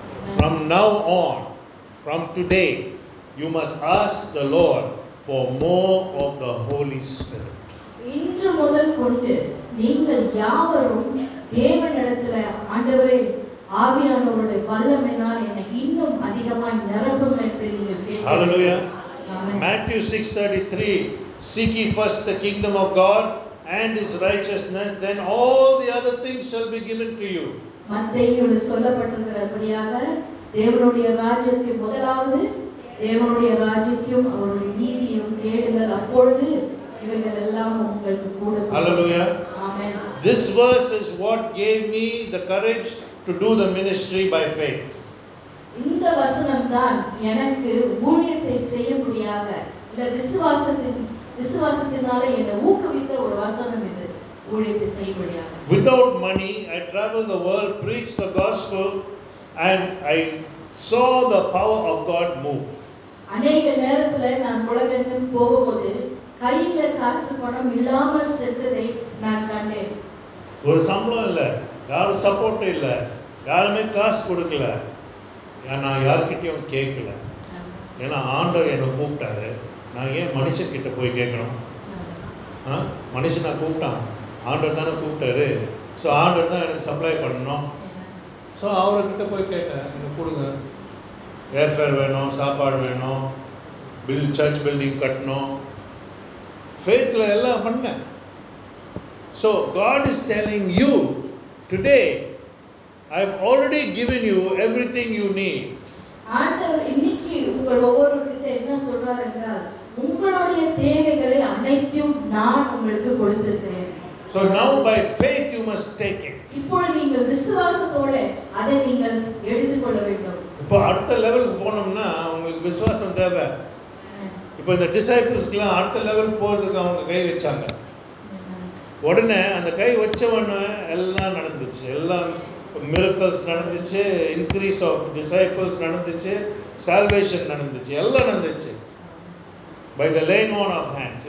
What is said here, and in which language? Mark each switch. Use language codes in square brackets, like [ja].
[en] From now on, from today, you must ask the Lord for more of the Holy Spirit. [ta] இன்று முதல் கொண்டு நீங்கள் யாவரும் தேவனிடத்தில் ஆண்டவரே ஆவியானவருடைய வல்லமையினால் என்னை இன்னும் அதிகமாக நிரப்புங்க என்று நீங்கள் கேட்க. ஹல்லேலூயா. [en] மத்தேயு 6:33, seek ye first the kingdom of God and his righteousness, then all the other things shall be given to you. [ta] மத்தேயுவில் சொல்லப்பட்டிருக்கிறபடியாக தேவனுடைய ராஜ்யத்தை முதலாவது தேவனுடைய ராஜ்யத்தையும் அவருடைய நீதியையும் தேடுங்கள், அப்பொழுது இவைகள் எல்லாம் உங்களுக்கு கூட. ஹல்லேலூயா. ஆமென். [en] This verse is what gave me the courage to do the ministry by faith. [ta] இந்த வசனம் தான் எனக்கு ஊழியத்தை செய்யக்கூடியாக இல்ல விசுவாசத்தினாலே என்னை ஊக்குவித்த ஒரு வசனம் இது. ஊழியத்தை செய்யப்படியாக. [en] Without money I traveled the world, preached the gospel and I saw the power of God move. [ta] அநேக நேரத்துல நான் உலகெங்கும் போகும்போது கையில காசு பணம் இல்லாமல் செத்ததை நான் கண்டேன். ஒரு சம்பளம் இல்ல, யாரும் சப்போர்ட் இல்ல, யாருமே காசு கொடுக்கல. நான் யார்கிட்டயும் கேட்கல, ஏன்னா ஆண்டவர் என்னை கூப்பிட்டாரு. நான் ஏன் மனுஷன்கிட்ட போய் கேட்கணும்? மனுஷனை கூப்பிட்டான், ஆண்டவர் தானே கூப்பிட்டாரு. ஸோ ஆண்டவர் தான் எனக்கு சப்ளை பண்ணணும். ஸோ அவர்கிட்ட போய் கேட்டேன், எனக்கு கொடுங்க, ஏர்ஃபேர் வேணும், சாப்பாடு வேணும், சர்ச் பில்டிங் கட்டணும், ஃபேத்தில் எல்லாம் பண்ணேன். [en] So God is telling you Today, I have already given you everything you need. So now by faith you must take it. [ta] இப்போ அடுத்த லெவலுக்கு போனோம்னா உங்களுக்கு விசுவாசம் தேவை. இப்போ இந்த டிசைபிள்ஸ்க்கெல்லாம் அடுத்த லெவல் போறதுக்கு அவங்க கை வச்சாங்க. உடனே அந்த கை வச்சவன எல்லாம் நடந்துச்சு, எல்லாம் மிரக்கல்ஸ் நடந்துச்சு, [en] increase of disciples [ta] நடந்துச்சு, சால்வேஷன் நடந்துச்சு, எல்லாம் நடந்துச்சு [en] By the laying on of hands.